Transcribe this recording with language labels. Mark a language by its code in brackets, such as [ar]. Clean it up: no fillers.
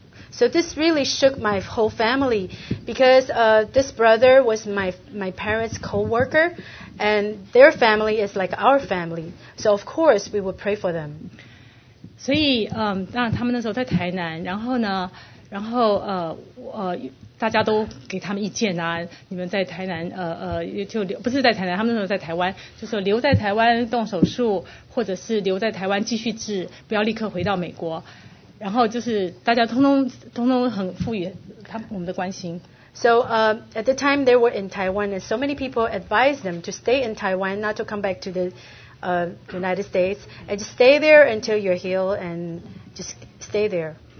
[en] So this really shook my whole family because this brother was my parents' co-worker and their family is like our family. So of course we would pray for them. [zh] 所以当然他们那时候在台南，然后呢，然后大家都给他们意见啊，你们在台南就留不是在台南，他们那时候在台湾，就说留在台湾动手术，或者是留在台湾继续治，不要立刻回到美国。然后就是大家通通很赋予他我们的关心。 [en] So at the time they were in Taiwan, and so many people advised them to stay in Taiwan, not to come back to the United States, and just stay there until you're healed, and just stay there.